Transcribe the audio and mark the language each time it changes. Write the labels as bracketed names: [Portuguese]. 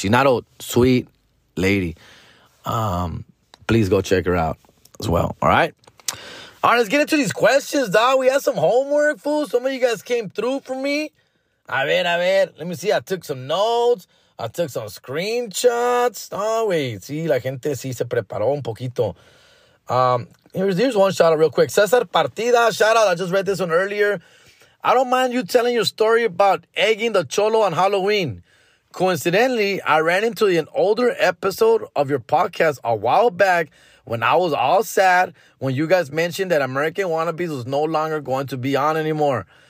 [English] She's not old, sweet lady. Please go check her out as well, all right? All right, let's get into these questions, dog. We have some homework, fool. Some of you guys came through for me. [Spanish] A ver. [English] Let me see. I took some notes. I took some screenshots. Oh, wait. [Spanish] Sí, la gente sí se preparó un poquito. [English] Here's one shout-out real quick. Cesar Partida, shout-out. I just read this one earlier. I don't mind you telling your story about egging the cholo on Halloween. Coincidentally, I ran into an older episode of your podcast a while back when I was all sad when you guys mentioned that American Wannabes was no longer going to be on anymore.